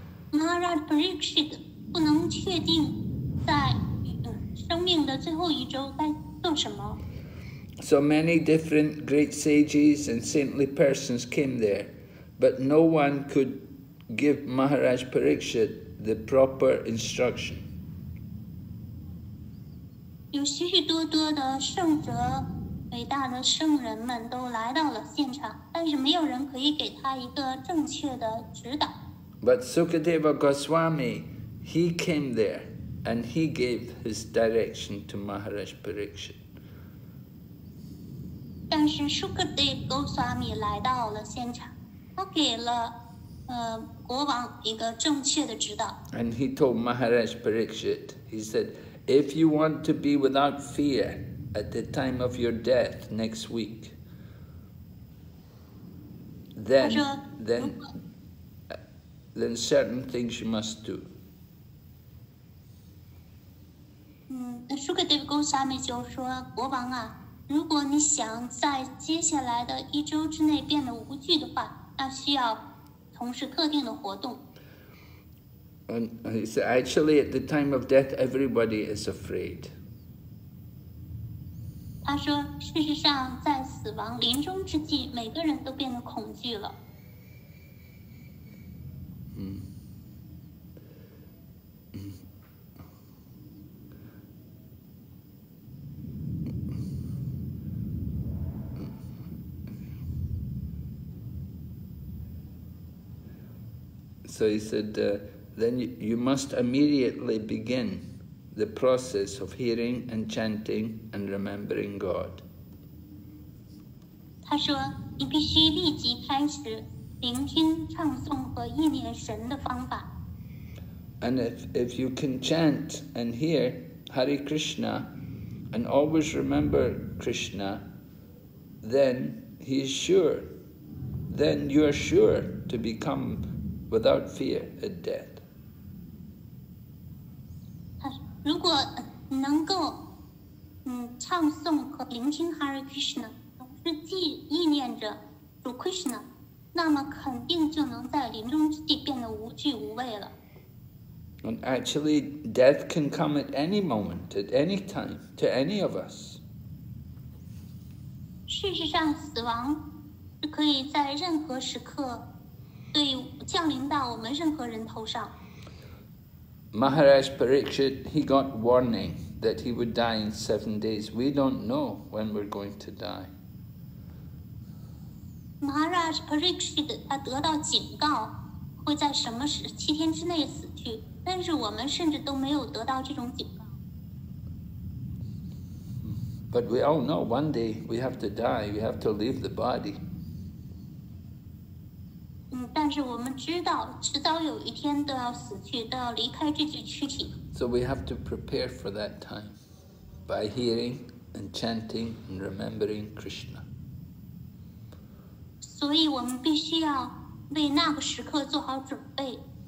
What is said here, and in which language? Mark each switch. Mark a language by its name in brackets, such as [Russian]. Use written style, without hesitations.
[Chinese] Maharaj Parikshit 不能确定在生命的最后一周该做什么。 [English] So many different great sages and saintly persons came there, but no one could give Maharaj Parikshit the proper instruction. [Chinese] 有许许多多的圣哲，伟大的圣人们都来到了现场，但是没有人可以给他一个正确的指导。 [English] But Sukadeva Goswami, he came there, and he gave his direction to Maharaj Parikshit. [Chinese] 但是 Sukadeva Goswami 来到了现场，他给了国王一个正确的指导。 [English] And he told Maharaj Parikshit, he said,If you want to be without fear at the time of your death next week, then certain things you must do. [Chinese] Sukadeva Goswami 就说，国王啊，如果你想在接下来的一周之内变得无惧的话，那需要从事特定的活动。 [English] And he said, actually, at the time of death, everybody is afraid. [Chinese] 他说，事实上，在死亡临终之际，每个人都变得恐惧了。 [English] So he said. Then you must immediately begin the process of hearing and chanting and remembering God. [Chinese] 他说你必须立即开始聆听唱诵和忆念神的方法。 [English] And if you can chant and hear Hare Krishna and always remember Krishna, then he is sure, then you are sure to become without fear at death. [Chinese] 如果能够唱诵和聆听 Hare Krishna, 是既忆念着 Krishna, 那么肯定就能在临终之地变得无惧无畏了。 [English] And actually, death can come at any moment, at any time, to any of us. [Chinese] 事实上，死亡是可以在任何时刻对降临到我们任何人头上。 [English] Maharaj Parikshit, he got warning that he would die in 7 days. We don't know when we're going to die. [Chinese] Maharaj Parikshit, 他得到警告，会在什么时七天之内死去。但是我们甚至都没有得到这种警告。 [English] But we all know one day we have to die, we have to leave the body. [Chinese] 但是我们知道迟早有一天都要死去，都要离开这具躯体。 [English] So we have to prepare for that time by hearing and chanting and remembering Krishna. 所以我们必须要为那个时刻做好准备。